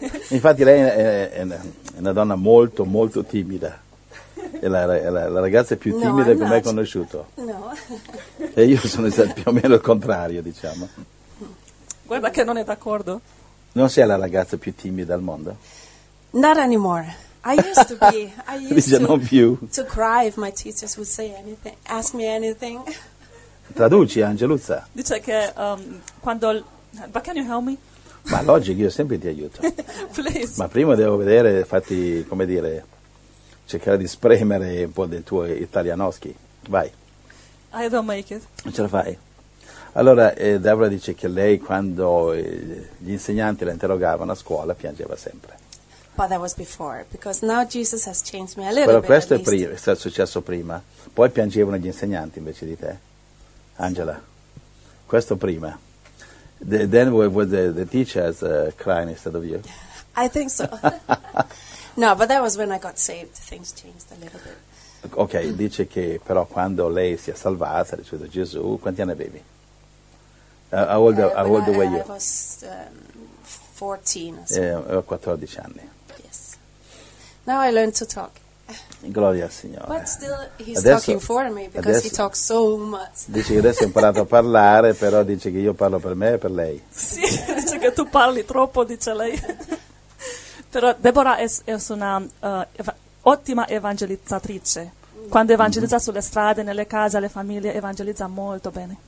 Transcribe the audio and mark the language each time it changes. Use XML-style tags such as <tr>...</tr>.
<it>Infatti lei è una donna molto, molto timida. È la ragazza più timida che mai conosciuto. No. E io sono più o meno il contrario, diciamo. Guarda che non è d'accordo. Non sei la ragazza più timida al mondo?</it> <en>Not anymore. I used to be. I used to cry if my teachers would say anything, ask me anything.</en> <it>Traduci, Angeluzza. Dice che quando...</it> <en>But can you help me?</en> <it>Ma logico, io sempre ti aiuto.</it> <en>Please.</en> <it>Ma prima devo vedere, infatti, come dire... Cercare di spremere un po' dei tuoi italianoschi. Vai.</it> <en>I don't make it.</en> <it>Non ce la fai? Allora, Deborah dice che lei, quando gli insegnanti la interrogavano a scuola, piangeva sempre.</it> <en>But that was before, because now Jesus has changed me a little bit.</en> <it>Questo è successo prima. Poi piangevano gli insegnanti invece di te. Angela, questo prima.</it> <en>Then were the teachers crying instead of you? I think so. No, but that was when I got saved. Things changed a little bit.</en> <it>Okay, dice che però quando lei si è salvata, ha ricevuto Gesù, quanti anni avevi?</it> <en>How old were you? I was 14.</en> <it>14 anni.</it> <en>Yes. Now I learned to talk.</en> <it>Gloria al Signore.</it> <en>But still he's adesso, talking for me because adesso, he talks so much.</en> <it>Dice che adesso ha imparato a parlare, però dice che io parlo per me e per lei. Sì, dice che tu parli troppo, dice lei. Però Deborah è una ottima evangelizzatrice. Quando evangelizza sulle strade, nelle case, alle famiglie, evangelizza molto bene.</it>